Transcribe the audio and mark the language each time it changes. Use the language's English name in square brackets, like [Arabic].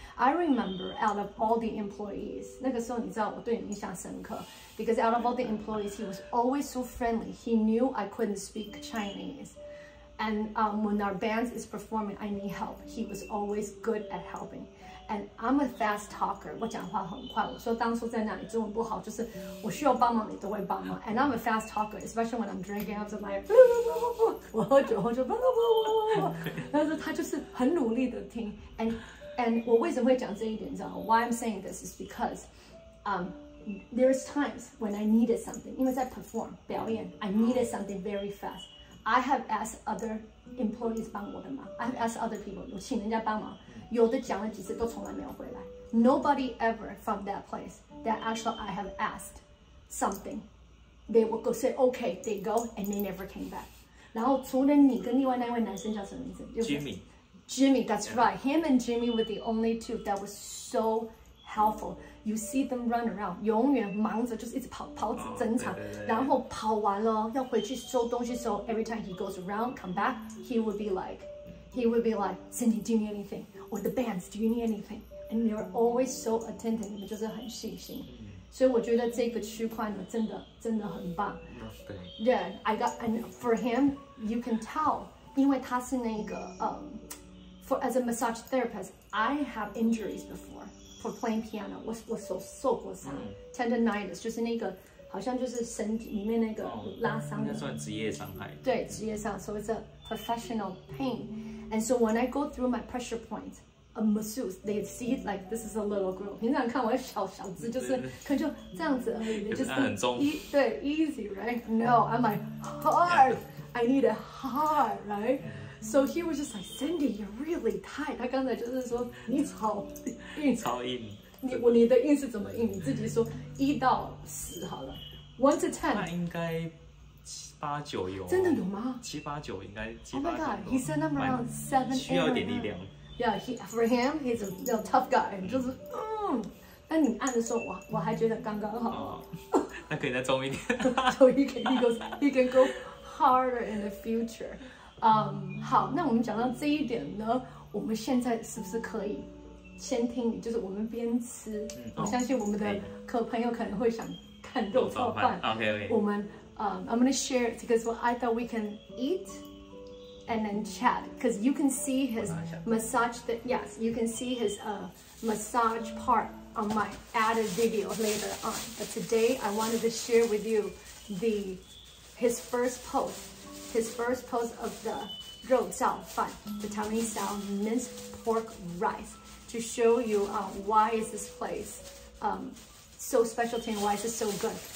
[English] I remember out of all the employees, [Chinese] 那个时候你知道我对你印象深刻 [English] ，because out of all the employees, he was always so friendly. He knew I couldn't speak Chinese, and when our band is performing, I need help. He was always good at helping, and I'm a fast talker. [Chinese] 我讲话很快，我说当初在那里中文不好，就是我需要帮忙，你都会帮忙。 [English] And I'm a fast talker, especially when I'm drinking. I'm like. [Chinese] 我喝酒后就叭叭叭叭叭，但是他就是很努力的听 [English] ，and [Chinese] 我为什么会讲这一点，你知道吗 [English] ？Why I'm saying this is because, there's times when I needed something, 因为在 perform 表演 ，I needed something very fast. I have asked other employees [Chinese] 帮我的忙 [English] ，I have asked other people [Chinese] 我请人家帮忙，有的讲了几次都从来没有回来 [English] ，Nobody ever from that place that actually I have asked something, they will go say okay, they go and they never came back. [Chinese] 然后除了你跟另外那位男生叫什么名字 [English] Jimmy that's right him and Jimmy were the only two that was so helpful you see them run around [Chinese] 永远忙着就是一直跑整场、 oh, 对对对然后跑完了要回去收东西 [English] so every time he goes around come back he would be like Cindy do you need anything or the bands do you need anything and they're always so attentive [Chinese] 你们就是很细心所以我觉得这个区块呢真的很棒对 [English] Yeah, I got, and for him, you can tell, [Chinese] 因为他是那个 [English] for as a massage therapist, I have injuries before for playing piano. [Chinese] 我受过伤、mm. tendonitis, 就是那个好像就是身体里面那个拉伤的。那算职业伤害。对，职业伤。 [English] So it's a professional pain. And so when I go through my pressure points, a masseuse, they see it like this is a little girl. [Chinese] 平常看我小子就是可能就这样子而已。就是很重。 [English] 对 ，easy, right? No, I'm like hard. I need a hard, right? So he was just like, Cindy, you're really tight. [Chinese] 他刚才就是说你超硬。超硬。你的硬是怎么硬？你自己说一到十好了 ， [English] one to ten。 [Chinese] 那应该七八九有。真的有吗？七八九应该。 [English] Oh my god, he said number around seven. [Chinese] 需要一点力量。 [English] Yeah, for him, he's a little tough guy. [Chinese] 就是，但你按的时候，我还觉得刚刚好。哦，那可以再重一点。 [English] So he can go harder in the future. [Chinese] 好，那我们讲到这一点呢，我们现在是不是可以先听你？就是我们边吃，我相信我们的客朋友可能会想看肉燥饭。 [English] OK. 我们I'm gonna share it because what I thought we can eat. And then chat because you can see his massage. Yes, you can see his massage part on my added video later on. But today I wanted to share with you his first post of the 肉燥饭, the Taiwanese style minced pork rice, to show you why is this place so special to me, why is it so good.